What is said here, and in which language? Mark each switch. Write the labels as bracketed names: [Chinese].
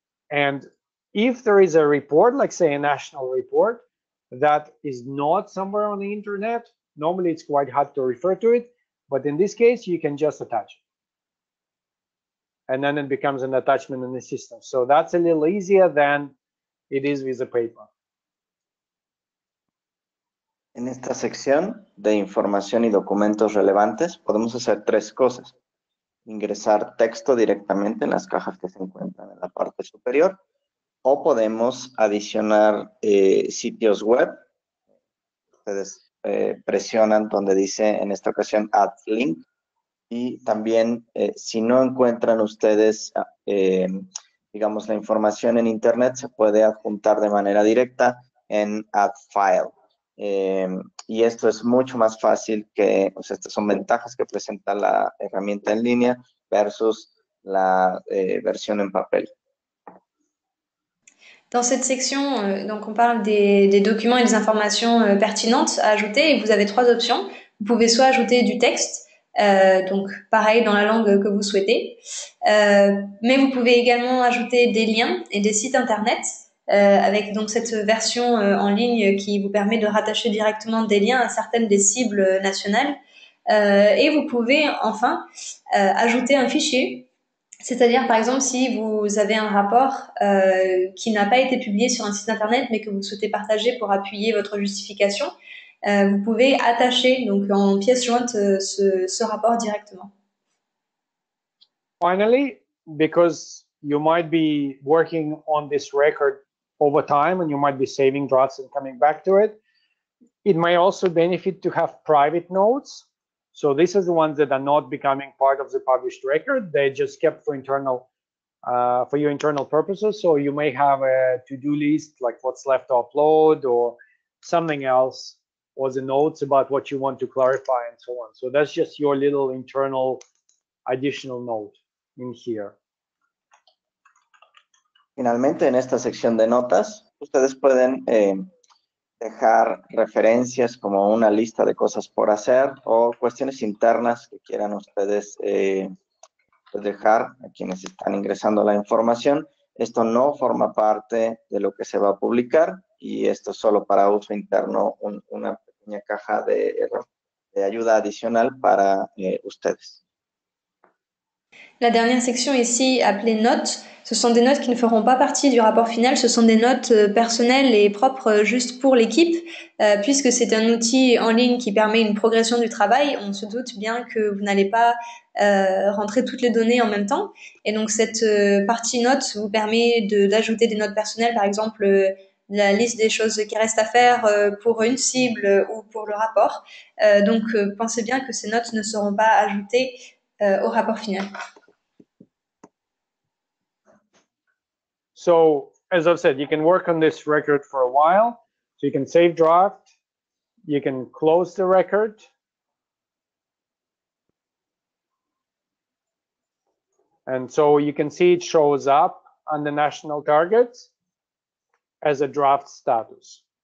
[English] And if there is a report, like say a national report, that is not somewhere on the internet, normally it's quite hard to refer to it, but in this case you can just attach it and then it becomes an attachment in the system. So that's a little easier than it is with a paper. [Spanish] En esta sección de información y documentos relevantes podemos hacer tres cosas: ingresar texto directamente en las cajas que se encuentran en la parte superior, o podemos adicionar sitios web. Ustedes presionan donde dice en esta ocasión Add Link. Y también si no encuentran ustedes, digamos, la información en internet, se puede adjuntar de manera directa en Add File. Y esto es mucho más fácil que, o sea, estas son ventajas que presenta la herramienta en línea versus la versión en papel. [French] Dans cette section, donc on parle des documents et des informations pertinentes à ajouter, et vous avez trois options. Vous pouvez soit ajouter du texte, donc pareil dans la langue que vous souhaitez, mais vous pouvez également ajouter des liens et des sites internet, avec donc cette version en ligne qui vous permet de rattacher directement des liens à certaines des cibles nationales. Et vous pouvez enfin ajouter un fichier. C'est-à-dire, par exemple, si vous avez un rapport qui n'a pas été publié sur un site internet, mais que vous souhaitez partager pour appuyer votre justification, vous pouvez attacher, donc en pièce jointe, ce rapport directement. [English] Finally, because you might be working on this record over time and you might be saving drafts and coming back to it, it may also benefit to have private notes. So this is the ones that are not becoming part of the published record. They're just kept for internal, for your internal purposes. So you may have a to-do list, like what's left to upload or something else, or the notes about what you want to clarify and so on. So that's just your little internal additional note in here. [Spanish] Finalmente, en esta sección de notas, ustedes pueden dejar referencias como una lista de cosas por hacer o cuestiones internas que quieran ustedes dejar a quienes están ingresando la información. Esto no forma parte de lo que se va a publicar y esto es solo para uso interno, una pequeña caja de ayuda adicional para ustedes. [French] La dernière section ici, appelée notes, ce sont des notes qui ne feront pas partie du rapport final, ce sont des notes personnelles et propres juste pour l'équipe, puisque c'est un outil en ligne qui permet une progression du travail. On se doute bien que vous n'allez pas rentrer toutes les données en même temps. Et donc cette partie notes vous permet d'ajouter des notes personnelles, par exemple la liste des choses qui restent à faire pour une cible ou pour le rapport. Donc pensez bien que ces notes ne seront pas ajoutées au rapport final. [English] So, as I've said, you can work on this record for a while. So you can save draft, you can close the record. And so you can see it shows up on the national targets as a draft status.